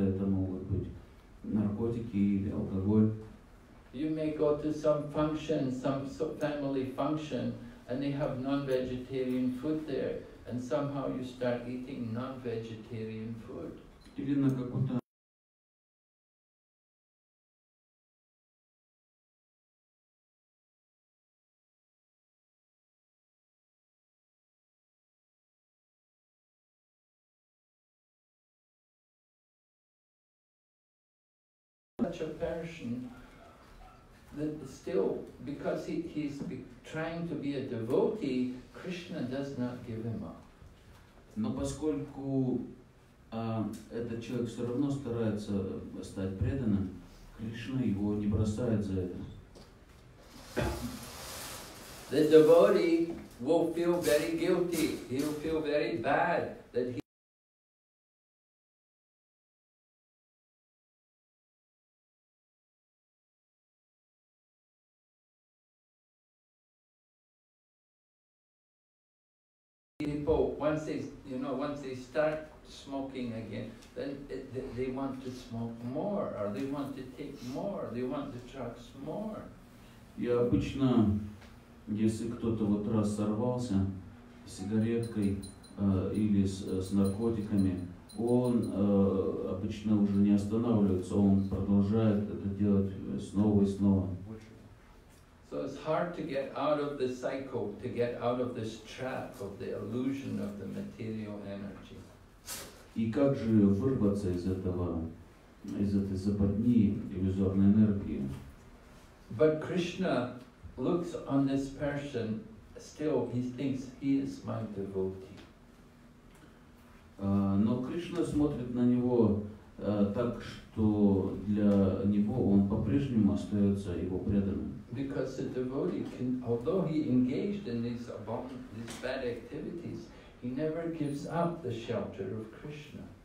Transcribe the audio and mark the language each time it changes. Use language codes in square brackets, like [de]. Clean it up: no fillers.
[ru] Это могут быть наркотики или алкоголь. [en] You may go to some function, some family function, and they have non-vegetarian food there. And somehow you start eating non-vegetarian food. [ru] Или на каком-то [en] such a person that still, because he's trying to be a devotee, Krishna does not give him up. [ru] Но поскольку этот человек все равно старается стать преданным, Кришна его не бросает за это. [en] The devotee will feel very guilty. He'll feel very bad that he once they, you know, once they start smoking again, then they want to smoke more, or they want to take more, they want the drugs more. [ru] И обычно, если кто-то вот раз сорвался с сигареткой или с наркотиками, он обычно уже не останавливается, он продолжает это делать снова и снова. [en] So So it's hard to get out of the cycle, to get out of this trap of the illusion of the material energy. [ru] И как же вырваться из этой западни иллюзорной энергии? [en] But Krishna looks on this person still, he thinks he is my devotee. [ru] Но Кришна смотрит на него так, что для него он по-прежнему остается его преданным. [en] Because the devotee can, although he engaged in these bad activities, he never gives up the shelter of Krishna.